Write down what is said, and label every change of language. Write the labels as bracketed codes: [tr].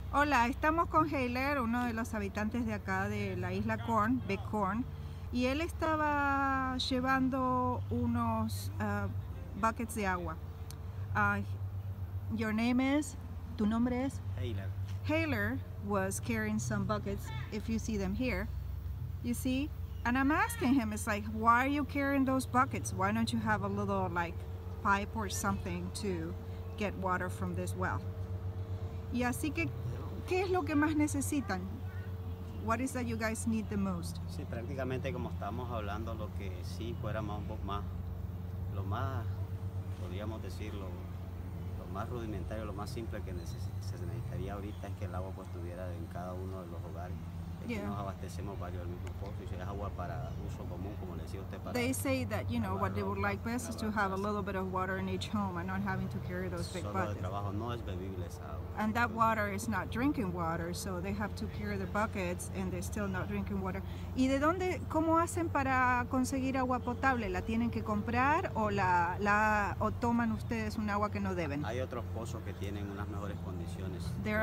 [es] Hola, estamos con Heiler, uno de los habitantes de acá de la isla Corn, Big Corn, y él estaba llevando unos buckets de agua. [en] Your name is? [es] Tu nombre es? [en] Heiler. Heiler was carrying some buckets, if you see them here. You see? And I'm asking him, it's like, why are you carrying those buckets? Why don't you have a little, like, pipe or something to get water from this well? [es] Y así que, ¿qué es lo que más necesitan? [en] What is that you guys need the most? [es] Sí, prácticamente como estamos hablando, lo que sí fuera más un poco más, lo más, podríamos decir, lo más rudimentario, lo más simple que se necesitaría ahorita es que el agua pues estuviera en cada uno de los hogares. Yeah. Nos abastecemos varios del mismo pozo y si es agua para uso común, como le decía usted, para... [en] They say that, you know, what they would like best is to have a little bit of water in each home and not having to carry those big buckets. [es] Solo de trabajo, no es bebible esa agua. [en] And that water is not drinking water, so they have to carry the buckets and they're still not drinking water. [es] ¿Y de dónde, cómo hacen para conseguir agua potable? ¿La tienen que comprar o o toman ustedes un agua que no deben? Hay otros pozos que tienen unas mejores condiciones.